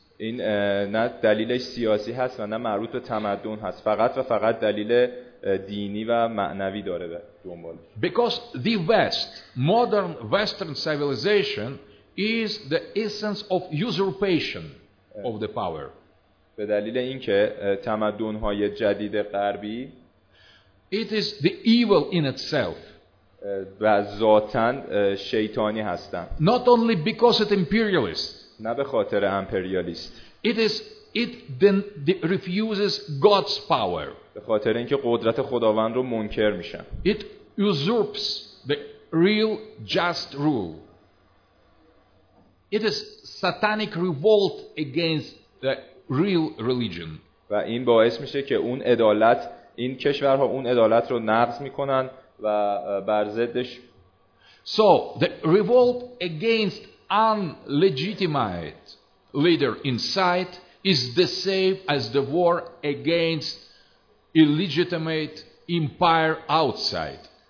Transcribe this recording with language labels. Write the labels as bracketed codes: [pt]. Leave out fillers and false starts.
[fa] این نه دلیلش سیاسی هست و نه مربوط به تمدن هست، فقط و فقط دلیل دینی و معنوی داره دنبال. [en] Because the West, modern Western civilization is the essence of usurpation of the power. [fa] به دلیل اینکه تمدن‌های جدید غربی [en] it is the evil in itself. [fa] و ذاتاً شیطانی هستند. [en] Not only because it imperialist. [fa] نه به خاطر امپریالیست. [en] It refuses God's power. [fa] به خاطر اینکه قدرت خداوند رو منکر میشن. [en] It usurps the real just rule. It is satanic revolt against the real religion. [fa] و این باعث میشه که اون عدالت، این کشورها اون عدالت رو نقض میکنن و بر ضدش. [en] So the revolt against unlegitimate leader inside is the same as the war against illegitimate empire outside.